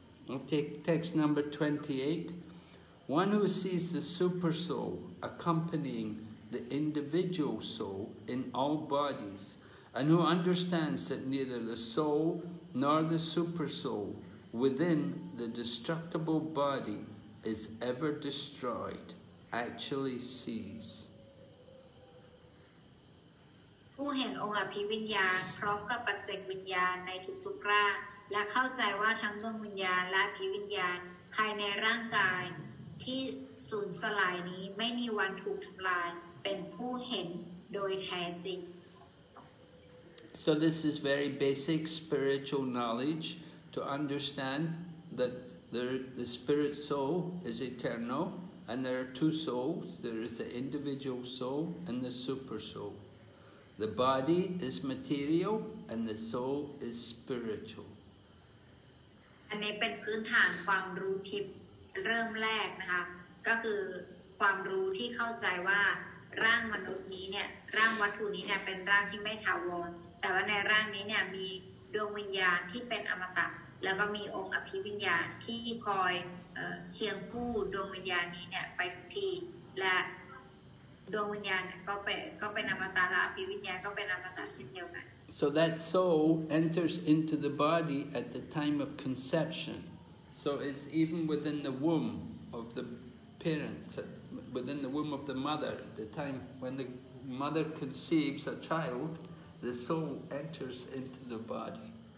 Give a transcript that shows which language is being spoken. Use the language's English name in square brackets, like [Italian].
[English] I'll take text number 28. One who sees the super soul accompanying the individual soul in all bodies, and who understands that neither the soul nor the super soul within the destructible body is ever destroyed, actually sees. [Thai] ผู้เห็นองค์อภิวิญญาณพร้อมกับปัจเจกวิญญาณในทุกๆร่างและเข้าใจว่าทั้งดวงวิญญาณและอภิวิญญาณภายในร่างกายที่สูญสลายนี้ไม่มีวันถูกทำลายเป็นผู้เห็นโดยแท้จริง [English] So this is very basic spiritual knowledge to understand that the spirit soul is eternal and there are two souls. There is the individual soul and the super soul. The body is material and the soul is spiritual. [Thai] อันนี้เป็นพื้นฐานความรู้ทิพย์เริ่มแรกนะคะก็คือความรู้ที่เข้าใจว่าร่างมนุษย์นี้เนี่ยร่างวัตถุนี้เนี่ยเป็นร่างที่ไม่ถาวรแต่ว่าในร่างนี้เนี่ยมีดวงวิญญาณที่เป็นอมตะแล้วก็มีองค์อภิวิญญาณที่คอยเคียงคู่ดวงวิญญาณนี้เนี่ยไปทุกที่และดวงวิญญาณก็เป็นอมตะและอภิวิญญาณก็เป็นอมตะเช่นเดียวกัน [English] So that soul enters into the body at the time of conception. So it's even within the womb of the parents, within the womb of the mother, at the time when the mother conceives a child, the soul enters into the body.